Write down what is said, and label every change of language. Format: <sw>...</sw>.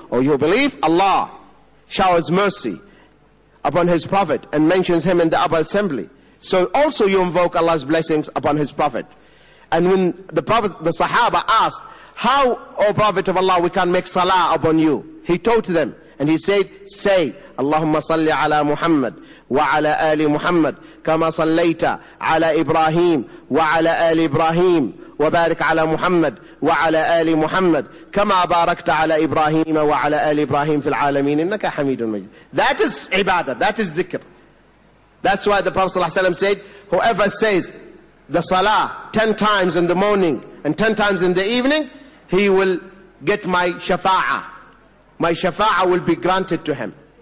<en>Or you believe Allah showers mercy upon his prophet and mentions him in the upper assembly. So also you invoke Allah's blessings upon his prophet. And when the prophet, the sahaba asked, how, O prophet of Allah, we can make salah upon you? He taught them and he said, say,</en> <ar>Allahumma salli ala Muhammad wa ala ali Muhammad. كما صليت على إبراهيم وعلى آل إبراهيم وبارك على محمد وعلى آل محمد كما باركت على إبراهيم وعلى آل إبراهيم في العالمين إنك حميد مجيد.</ar> <en>That is ibadah, that is dhikr. That's why the Prophet ﷺ said, whoever says the salah 10 times in the morning and 10 times in the evening, he will get my shafa'a. My shafa'a will be granted to him.</en>